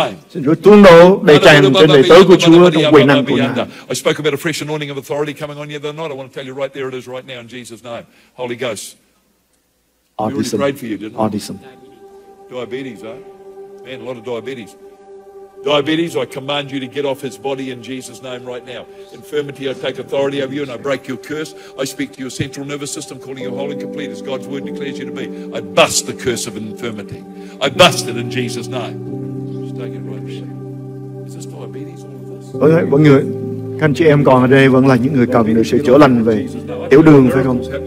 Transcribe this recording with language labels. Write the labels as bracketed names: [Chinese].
[Vietnamese] Xin Chúa tuôn đổ đầy tràn trên đời tớ của Chúa trong quyền năng của ngài. [English] I spoke about a fresh anointing of authority coming on you the other night. I want to tell you right there it is right now in Jesus' name. Holy Ghost. Autism. We prayed for you, didn't we? Autism. Diabetes, huh? Man, a lot of diabetes. Diabetes, I command you to get off his body in Jesus' name right now. Infirmity, I take authority over you and I break your curse. I speak to your central nervous system, calling you whole and complete as God's word declares you to be. I bust the curse of infirmity. I bust it in Jesus' name. Just take it right there. Is this diabetes all of this? [Vietnamese] Okay, mọi người, các anh chị em còn ở đây vẫn là những người cần được sự chữa lành về tiểu đường, phải không?